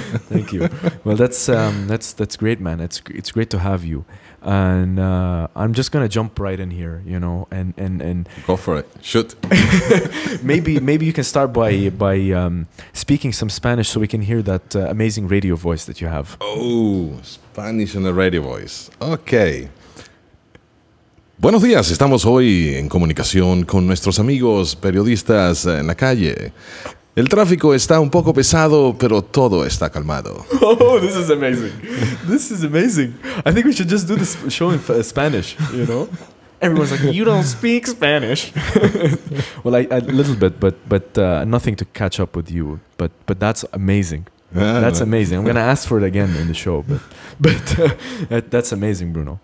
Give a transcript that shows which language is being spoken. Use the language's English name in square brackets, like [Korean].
[English] Thank you. Well, that's great, man. It's great to have you. And I'm just going to jump right in here, you know? And go for it. Shoot. maybe you can start by speaking some Spanish so we can hear that amazing radio voice that you have. Oh, Spanish and a radio voice. Okay. [Spanish] Buenos días, estamos hoy en comunicación con nuestros amigos periodistas en la calle. El tráfico está un poco pesado, pero todo está calmado. [English] Oh, this is amazing. This is amazing. I think we should just do this show in Spanish, you know? Everyone's like, you don't speak Spanish. Well, a little bit, but nothing to catch up with you. But that's amazing. That's amazing. I'm going to ask for it again in the show, but that's amazing, Bruno.